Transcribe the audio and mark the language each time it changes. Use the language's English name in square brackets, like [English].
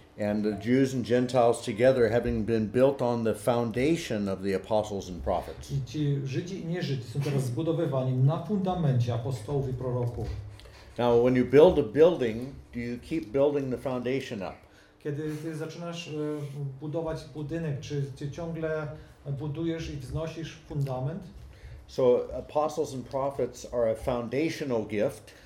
[English] And the Jews and Gentiles together having been built on the foundation of the apostles and prophets. [Polish] I ci Żydzi i nie Żydzi są teraz zbudowywani na fundamencie apostołów i proroków. [English] Now when you build a building, do you keep building the foundation up? [Polish] Kiedy ty zaczynasz budować budynek, czy ty ciągle budujesz i wznosisz fundament? [English] So apostles and prophets are a foundational gift.